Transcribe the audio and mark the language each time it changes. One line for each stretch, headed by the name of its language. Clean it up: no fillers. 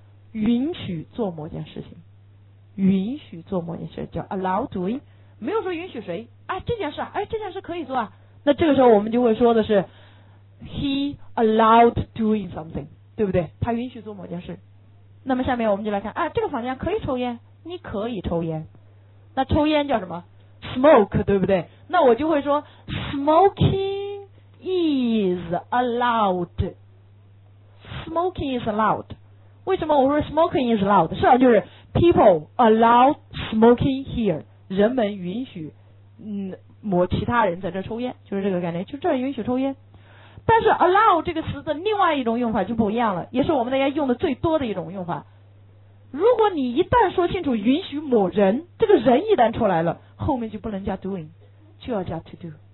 Chinese: 允许做某件事情，允许做某件事叫 allow doing， 没有说允许谁，哎，这件事，哎，这件事可以做啊，那这个时候我们就会说的是
English: he allowed doing something，
Chinese: 对不对？他允许做某件事。那么下面我们就来看，哎，这个房间可以抽烟，你可以抽烟，那抽烟叫什么？smoke， 对不对？那我就会说
English: smokingIs allowed. Smoking is allowed.
Chinese: 为什么我说
English: smoking is allowed?
Chinese: 实际上就是
English: people allow smoking here.
Chinese: 人们允许某其他人在这抽烟，就是这个概念，就这允许抽烟。但是 allow 这个词的另外一种用法就不一样了，也是我们大家用的最多的一种用法。如果你一旦说清楚允许某人，这个人一旦出来了，后面就不能加 doing， 就要加 to do。